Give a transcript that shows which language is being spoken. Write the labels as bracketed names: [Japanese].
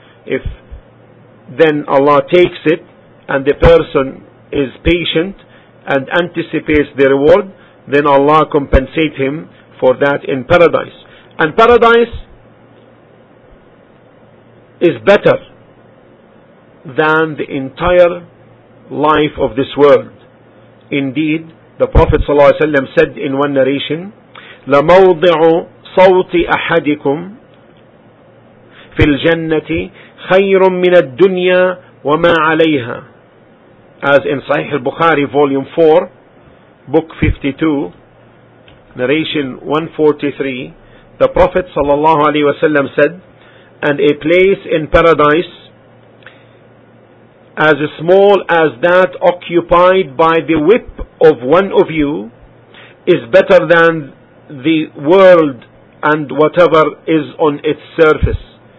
[English] If then Allah takes it and the person is patient and anticipates the reward, then Allah compensates him for that in paradise. And paradise is better than the entire life of this world. Indeed, the Prophet ﷺ said in one narration, [Arabic] لموضع صوت أحدكم في الجنة خير من الدنيا وما عليها. [English] As in Sahih al-Bukhari, Volume 4, Book 52, Narration 143, the Prophet sallallahu alaihi wasallam said, "And a place in Paradise as small as that occupied by the whip of one of you is better than the world and whatever is on its surface."